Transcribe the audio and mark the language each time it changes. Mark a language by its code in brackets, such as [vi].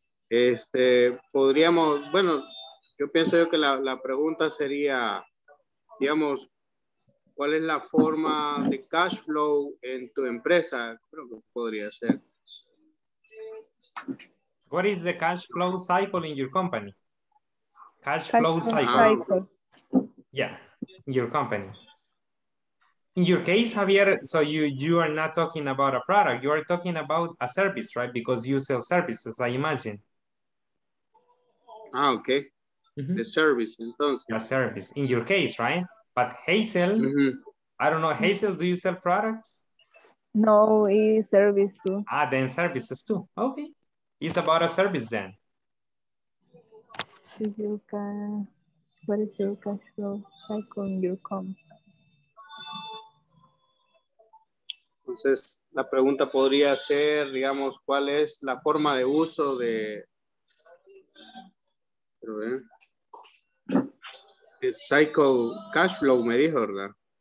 [es] Este, podríamos, bueno, yo pienso yo que la pregunta sería, digamos, ¿cuál es la forma de cash flow en tu empresa? Creo que podría ser. [en] What is the cash flow cycle in your company? Cash flow cycle. Yeah, in your company. In your case, Javier, so you are not talking about a product, you are talking about a service, right? Because you sell services, I imagine. Ah, okay. Mm-hmm. The service, entonces. A service, in your case, right? But Hazel, I don't know, Hazel, do you sell products? No, it's service too. Ah, then services too, okay. It's about a service then. What is your cash flow cycle in your company? [es] Entonces, la pregunta podría ser, digamos, ¿cuál es la forma de uso de cycle cash flow, me dijo, ¿verdad?